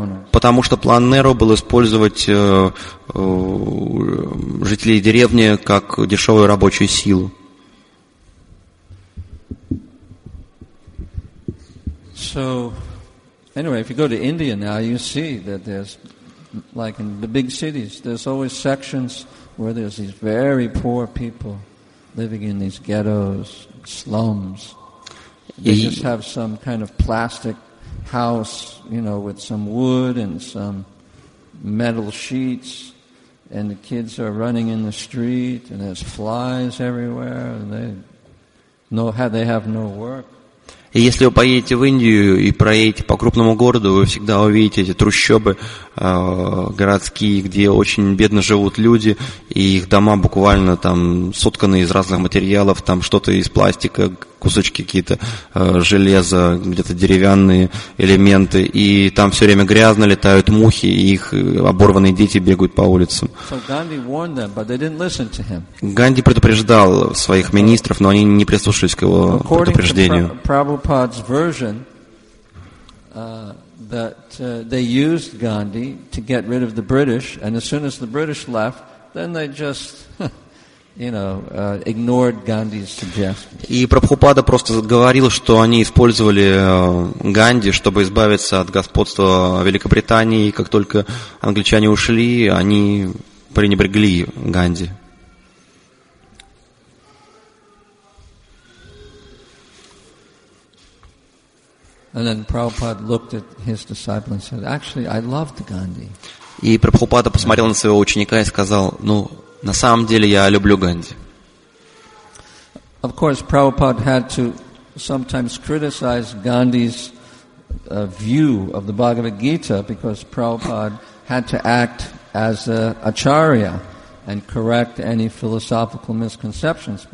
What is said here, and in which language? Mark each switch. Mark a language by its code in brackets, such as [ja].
[ru] Потому что план Неру был использовать жителей деревни как дешевую рабочую силу. [en] So, anyway, if you go to India now, you see that there's, like in the big cities, there's always sections where there's these very poor people living in these ghettos, slums. They just have some kind of plastic house, you know, with some wood and some metal sheets, and the kids are running in the street, and there's flies everywhere, and they have no work. [ru] И если вы поедете в Индию и проедете по крупному городу, вы всегда увидите эти трущобы городские, где очень бедно живут люди, и их дома буквально там сотканы из разных материалов, там что-то из пластика, кусочки какие-то железа, где-то деревянные элементы, и там все время грязно, летают мухи, и их оборванные дети бегают по улицам. [en] So Gandhi warned them, but they didn't listen to him. [ru] Ганди предупреждал своих министров, но они не прислушались к его предупреждению. [en] Prabhupada's version that they used Gandhi to get rid of the British, and as soon as the British left, then they just ignored Gandhi's suggestion. [ru] И Прабхупада просто говорил, что они использовали Ганди, чтобы избавиться от господства Великобритании, и как только англичане ушли, они пренебрегли Ганди. [en] And then Prabhupada looked at his disciple and said, "Actually, I loved Gandhi." [ru] И Прабхупада посмотрел на своего ученика и сказал: "Ну, на самом деле я люблю Ганди." [en] Of course, Prabhupada had to sometimes criticize Gandhi's view of the Bhagavad Gita because Prabhupada had to act as an acharya and correct any philosophical misconceptions.